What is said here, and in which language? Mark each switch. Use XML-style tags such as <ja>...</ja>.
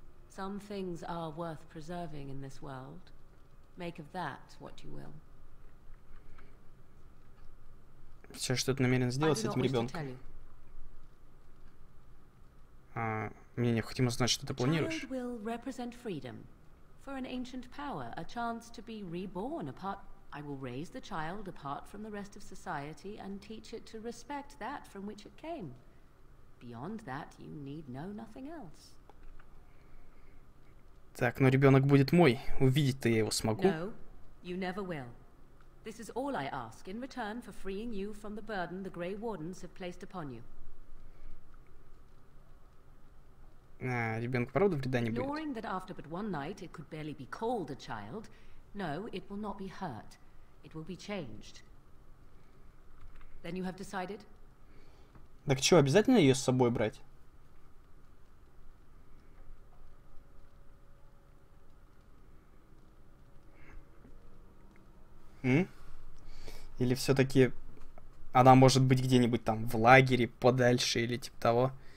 <en>Some things are worth preserving in this world. Make of that what you will.</en> <ru>Сейчас что-то намерен сделать с этим ребенком. Мне необходимо знать, что ты планируешь.</ru> <en>Child will represent freedom. For an ancient power, a chance to be reborn apart. I will raise the child apart from the rest of society and teach it to respect that from which it came. Beyond that, you need know nothing else.</en> <ru>Так, но ребенок будет мой. Увидеть-то я его смогу.</ru> <en>No, you never will. This is all I ask in return for freeing you from the burden the Grey Wardens have placed upon you.</en> <ru>А, ребенку правда вреда не будет.</ru> <en>Ignoring that after but one night it could barely be called a child, no, it will not be hurt. It will be changed. Then you have decided?</en> <ru>Так что, обязательно ее с собой брать? Или все-таки она может быть где-нибудь там в лагере подальше или типа того.</ru>